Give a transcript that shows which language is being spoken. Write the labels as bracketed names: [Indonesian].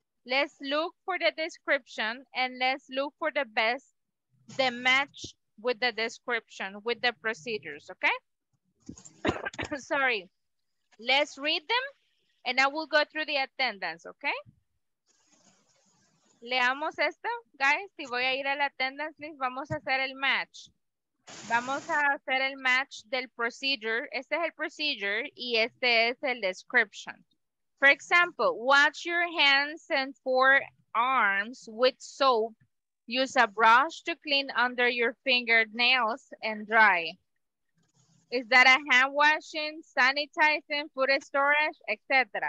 [English] Let's look for the description, and let's look for the best, the match with the description, with the procedures, okay? Sorry. Let's read them, and I will go through the attendance, okay? [Spanish] Leamos esto, guys. Si voy a ir a la attendance list, vamos a hacer el match. Vamos a hacer el match del procedure. Este es el procedure, y este es el description. [English] For example, wash your hands and forearms with soap. Use a brush to clean under your fingernails and dry. Is that a hand washing, sanitizing, food storage, etc.?